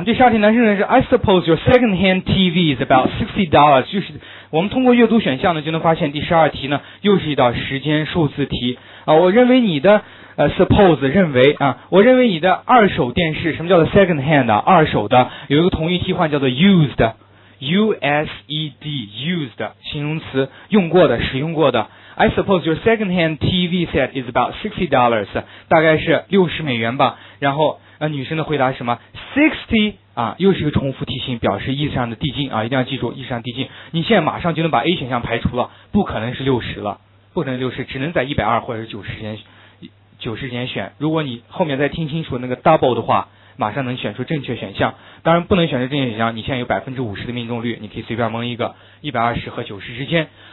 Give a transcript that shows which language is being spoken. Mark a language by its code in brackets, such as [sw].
[zh] 第十二题男生是 [en] I suppose your second hand TV is about $60, [zh] 就是我们通过阅读选项呢就能发现第十二题呢又是一道时间数字题啊。我认为你的suppose 认为啊，我认为你的二手电视，什么叫做 second hand 啊，二手的，有一个同义替换叫做 used,used, used, 形容词，用过的，使用过的。 [en] I suppose your second hand TV set is about $60, [zh] 大概是$60吧。然后女生的回答是什么 ?60, 啊，又是一个重复题型，表示意思上的递进啊，一定要记住意思上递进。你现在马上就能把 A 选项排除了，不可能是60了，不可能60，只能在120或者是90间选。如果你后面再听清楚那个 double 的话，马上能选出正确选项，当然不能选出正确选项，你现在有50%的命中率，你可以随便蒙一个120和90之间。